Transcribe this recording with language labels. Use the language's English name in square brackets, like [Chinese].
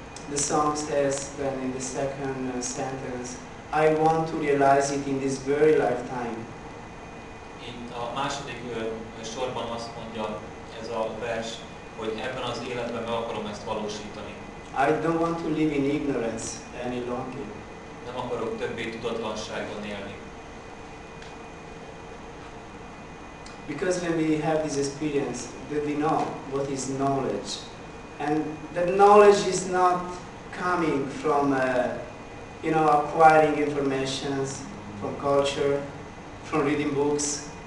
[English] The song says then in the second sentence, I want to realize it in this very lifetime. [Hungarian] Itt a második sorban azt mondja ez a vers, hogy ebben az életben meg akarom ezt valósítani. [English] I don't want to live in ignorance any longer. [Hungarian] Nem akarok többé tudatlanságban élni. [English] Because when we have this experience, then we know what is knowledge. And that knowledge is not coming from acquiring information from culture, from reading books.